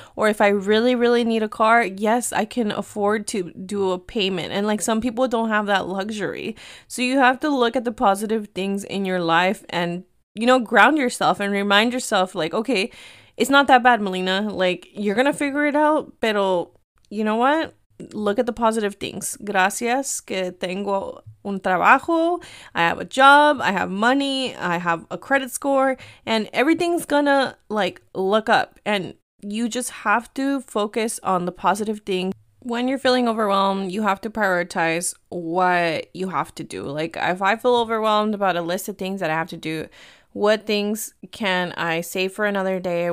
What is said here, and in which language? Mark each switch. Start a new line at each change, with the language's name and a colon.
English: Or if I really, really need a car, yes, I can afford to do a payment. And like, some people don't have that luxury. So you have to look at the positive things in your life and, you know, ground yourself and remind yourself like, okay, it's not that bad, Melina. Like, you're gonna figure it out,
Spanish: pero
English: you know what? Look at the positive things.
Spanish: Gracias que tengo un trabajo.
English: I have a job. I have money. I have a credit score. And everything's gonna, like, look up. And you just have to focus on the positive things. When you're feeling overwhelmed, you have to prioritize what you have to do. Like, if I feel overwhelmed about a list of things that I have to do, what things can I save for another day?